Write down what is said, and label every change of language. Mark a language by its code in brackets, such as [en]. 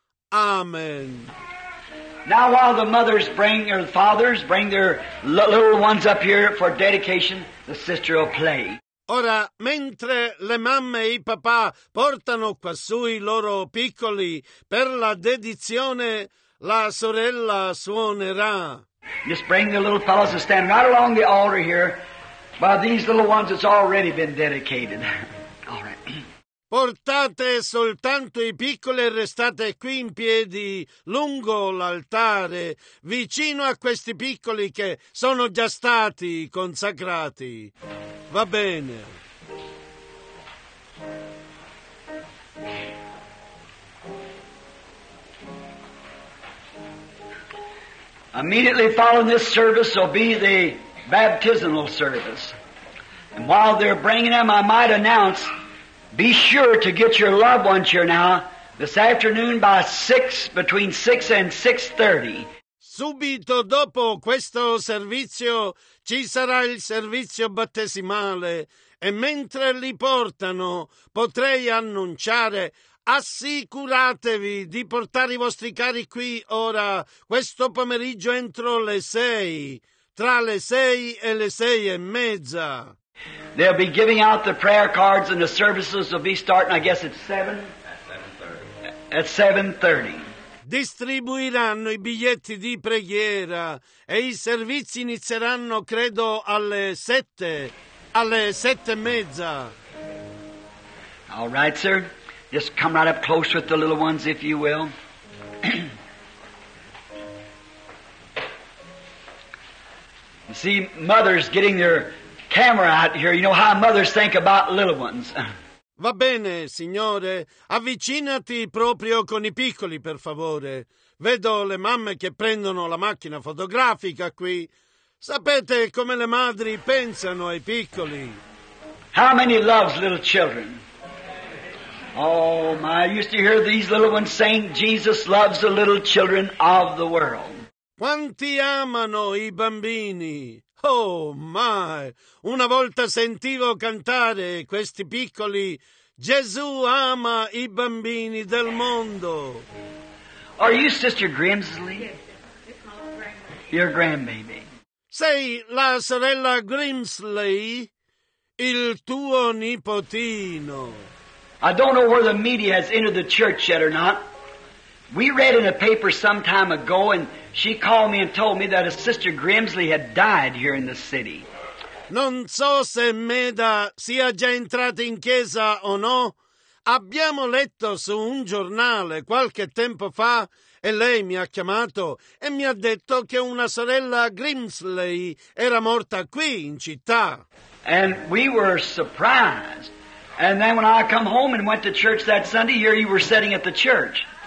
[en] Amen. Now while the mothers bring, or the fathers bring their little ones up here for dedication, the sister will play. [it] Ora, mentre le mamme e i papà portano quassù i loro piccoli per la dedizione, la sorella suonerà. [en] Just bring the little fellows to stand right along the altar here. By these little ones, it's already been dedicated. All right. [it] Portate soltanto i piccoli e restate qui in piedi lungo l'altare, vicino a questi piccoli che sono già stati consacrati. Va bene. [en] Immediately following this service will be the baptismal service. And while they're bringing them, I might announce, be sure to get your loved ones here now this afternoon by 6, between 6 and 6:30. [it] Subito dopo questo servizio ci sarà il servizio battesimale e mentre li portano potrei annunciare: assicuratevi di portare i vostri cari qui ora, questo pomeriggio entro le 6, tra le 6 e le 6:30. [en] They'll be giving out the prayer cards and the services will be starting, I guess, at 7? At 7:30. [it] Distribuiranno i biglietti di preghiera e i servizi inizieranno, credo, alle 7, alle 7:30. [en] All right, sir. Just come right up close with the little ones, if you will. You see, mothers getting their camera out here. You know how mothers think about little ones. [it] Va bene, signore. Avvicinati proprio con i piccoli, per favore. Vedo le mamme che prendono la macchina fotografica qui. Sapete come le madri pensano ai piccoli. [en] How many loves little children? Oh, my, I used to hear these little ones saying, Jesus loves the little children of the world. [it] Quanti amano i bambini? [en] Oh, my, [it] una volta sentivo cantare questi piccoli, Gesù ama i bambini del mondo. [en] Are you Sister Grimsley? Your grandbaby. [it] Sei la sorella Grimsley, il tuo nipotino. [en] I don't know where the media has entered the church yet or not. We read in a paper some time ago, and she called me and told me that a Sister Grimsley had died here in the city. [it] Non so se Meda sia già entrata in chiesa o no. Abbiamo letto su un giornale qualche tempo fa, e lei mi ha chiamato e mi ha detto che una sorella Grimsley era morta qui in città. [en] And we were surprised. And then when I come home and went to church that Sunday, here you were sitting at the church.